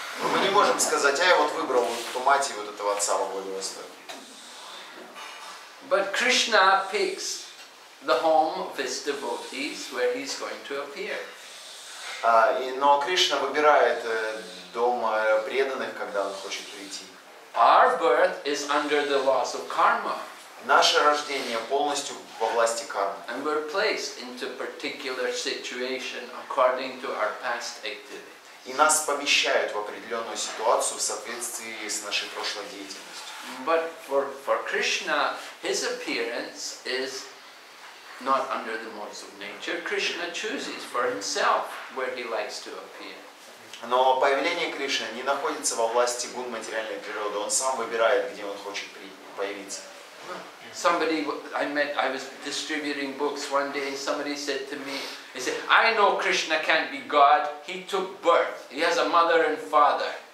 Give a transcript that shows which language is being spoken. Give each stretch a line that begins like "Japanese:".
Russian: Но мы не можем сказать: а я вот выбрал вот эту мать и вот этого отца во Владивостоке.
English: But Krishna picks the home of his devotees where he's going to appear.
Russian: Но Кришна выбирает дом преданных, когда он хочет прийти.
English: Our birth is under the laws of karma.
Russian: Наше рождение полностью во власти кармы.
English: And we're placed into particular situation according to our past activities.
Russian: И нас помещают в определенную ситуацию в соответствии с нашей прошлой деятельностью.
English: But for Krishna, his appearance is not under the modes of nature. Krishna chooses for himself where he likes to appear.
Russian: Но появление Кришны не находится во власти гун материальной природы. Он сам выбирает, где он хочет появиться.
English: Somebody I met, I was distributing books one day, somebody said to me, he said, I know Krishna can't be God, he took birth, he has a mother and father.